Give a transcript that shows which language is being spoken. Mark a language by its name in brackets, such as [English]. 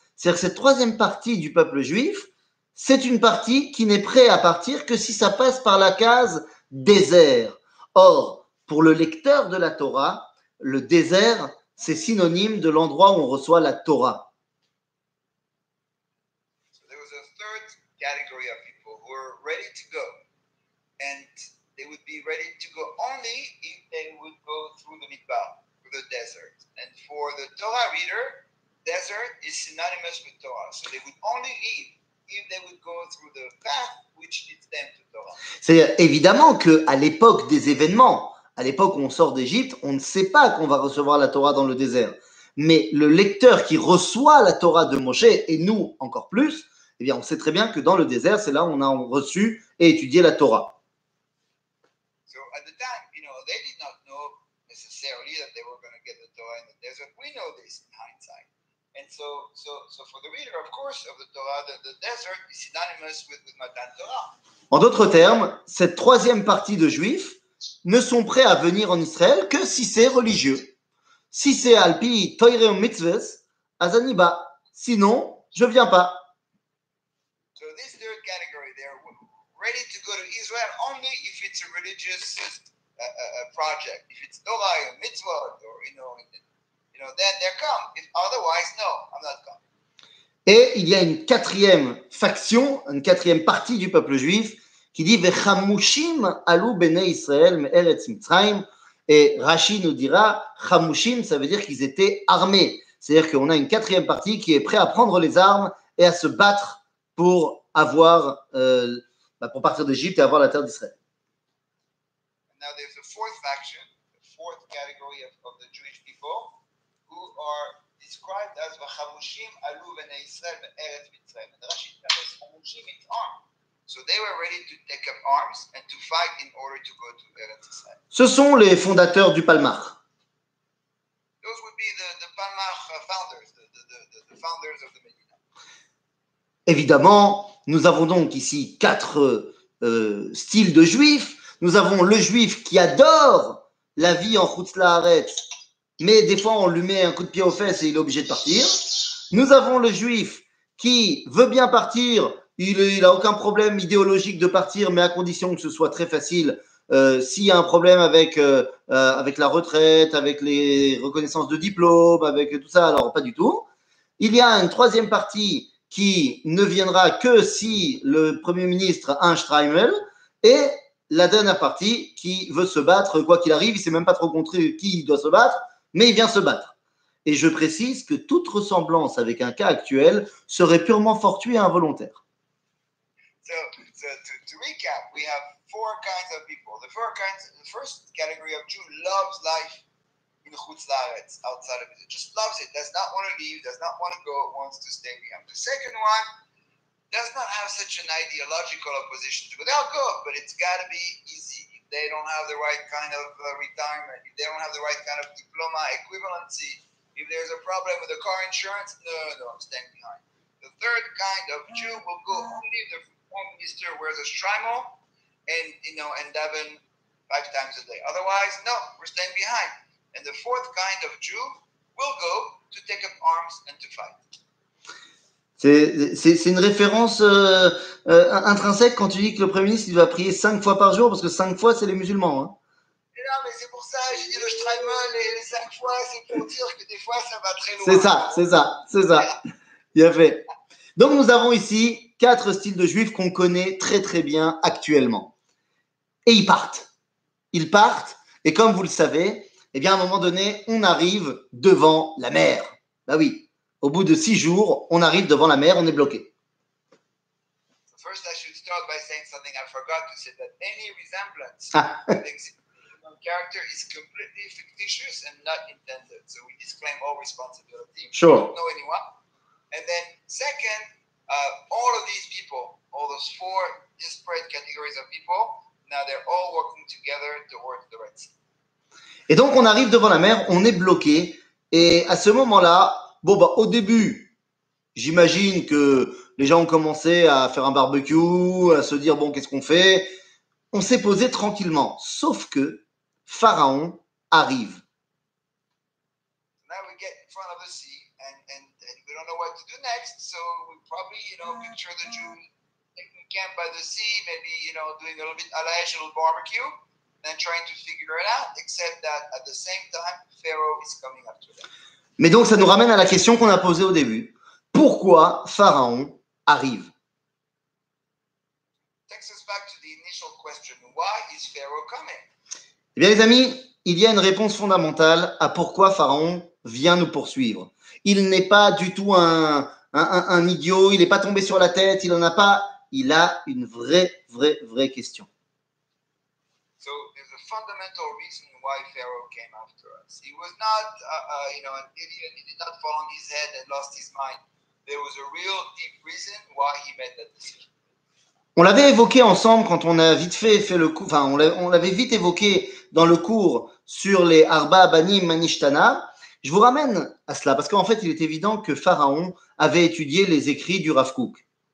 [French] C'est-à-dire que cette troisième partie du peuple juif, c'est une partie qui n'est prête à partir que si ça passe par la case désert. Or, pour le lecteur de la Torah, le désert, c'est synonyme de l'endroit où on reçoit la Torah. [English] So there was a third category of people who were ready to go. And they would be ready to go only if they would go through the Midbar, through the desert. And for the Torah reader, desert is synonymous with Torah. So they would only leave if they would go through the path which leads them to Torah. [French] C'est évidemment que à l'époque des événements, à l'époque où on sort d'Égypte, on ne sait pas qu'on va recevoir la Torah dans le désert. Mais le lecteur qui reçoit la Torah de Moshe, et nous encore plus, eh bien on sait très bien que dans le désert, c'est là où on a reçu et étudié la Torah. [English] So at the time, you know, they did not know necessarily that they were going to get the Torah in the desert. We know this in hindsight. And so for the reader, of course, of the Torah, the desert is synonymous with Matan Torah. [French] En d'autres termes, cette troisième partie de Juifs ne sont prêts à venir en Israël que si c'est religieux. Si c'est alpi toireum mitzvahs, azaniba. Sinon, je ne viens pas. [English] So this third category, they're ready to go to Israel only if it's a religious project. If it's Torah or mitzvah, or you know, then they come. If otherwise, no, I'm not coming. [French] Et il y a une quatrième faction, une quatrième partie du peuple juif qui dit [Hebrew] Vechamushim alu bene Israël me'eretz Mitzrayim. [French] Et Rashi nous dira Chamushim, ça veut dire qu'ils étaient armés. C'est-à-dire qu'on a une quatrième partie qui est prêt à prendre les armes et à se battre pour avoir, pour partir d'Égypte et avoir la terre d'Israël. [English] Now there's a fourth faction, the fourth category of the Jewish people who are described as [Hebrew] Vechamushim alu bene Israël me'eretz Mitzrayim. [English] And Rashi tells Chamushim in armes. So they were ready to take up arms and to fight in order to go to Eretz Israel. [French] Ce sont les fondateurs du Palmach. [English] Those would be the Palmach founders, the founders of the Medina. [French] Évidemment, nous avons donc ici quatre styles de juifs. Nous avons le juif qui adore la vie en Chutz La'aretz, mais des fois on lui met un coup de pied aux fesses et il est obligé de partir. Nous avons le juif qui veut bien partir. Il n'a aucun problème idéologique de partir, mais à condition que ce soit très facile. S'il y a un problème avec la retraite, avec les reconnaissances de diplôme, avec tout ça, alors pas du tout. Il y a une troisième partie qui ne viendra que si le Premier ministre a un Streimel. Et la dernière partie qui veut se battre, quoi qu'il arrive, il ne sait même pas trop contre qui il doit se battre, mais il vient se battre. Et je précise que toute ressemblance avec un cas actuel serait purement fortuite et involontaire. [English] So to recap, we have four kinds of people. The first category of Jew loves life in Chutz La'aretz, outside of it. Just loves it. Does not want to leave. Does not want to go. Wants to stay. We have the second one. Does not have such an ideological opposition to go. They'll go, but it's got to be easy. If they don't have the right kind of retirement, if they don't have the right kind of diploma equivalency, if there's a problem with the car insurance, no, I'm staying behind. The third kind of Jew will go only if the Mr. wears a strimal and daven five times a day. Otherwise, no, we're staying behind. And the fourth kind of Jew will go to take up arms and to fight. [French] C'est une référence intrinsèque quand tu dis que le Premier ministre il va prier cinq fois par jour parce que cinq fois c'est les musulmans. Hein. Non, mais c'est pour ça, j'ai dit le strimal et les cinq fois, c'est pour dire que des fois ça va très loin. C'est ça. Bien fait. Donc nous avons ici quatre styles de juifs qu'on connaît très très bien actuellement. Et ils partent. Ils partent, et comme vous le savez, eh bien à un moment donné, on arrive devant la mer. Bah oui, au bout de 6 jours, on arrive devant la mer, on est bloqué. [English] First, I should start by saying something I forgot to say that any resemblance to the existing character is completely fictitious and not intended. So we disclaim all responsibility. Sure. We don't know anyone. And then, second, all of these people, all those four disparate categories of people, now they're all working together towards the Red Sea. [French] Et donc on arrive devant la mer, on est bloqué, et à ce moment-là, bon bah au début, j'imagine que les gens ont commencé à faire un barbecue, à se dire bon qu'est-ce qu'on fait. On s'est posé tranquillement, sauf que Pharaon arrive. [English] Now we get in front of the sea and we don't know what to do next, so we probably, you know, picture the June camp by the sea, maybe, you know, doing a little bit a little barbecue. Then trying to figure it out, except that at the same time, Pharaoh is coming after them. [French] Mais donc, ça nous ramène à la question qu'on a posée au début. Pourquoi Pharaon arrive? [English] Takes us back to the initial question. Why is Pharaoh coming? [French] Eh bien, les amis, il y a une réponse fondamentale à pourquoi Pharaon vient nous poursuivre. Il n'est pas du tout un idiot, il n'est pas tombé sur la tête, il n'en a pas. Il a une vraie question. [English] So there's a fundamental reason why Pharaoh came after us. He was not, an idiot. He did not fall on his head and lost his mind. There was a real deep reason why he made that decision. [French] On l'avait évoqué ensemble quand on a vite fait le coup. Enfin, on l'avait vite évoqué dans le cours sur les Arba Banim Manishtana. Je vous ramène à cela parce qu'en fait, il est évident que Pharaon avait étudié les écrits du Rav Kook.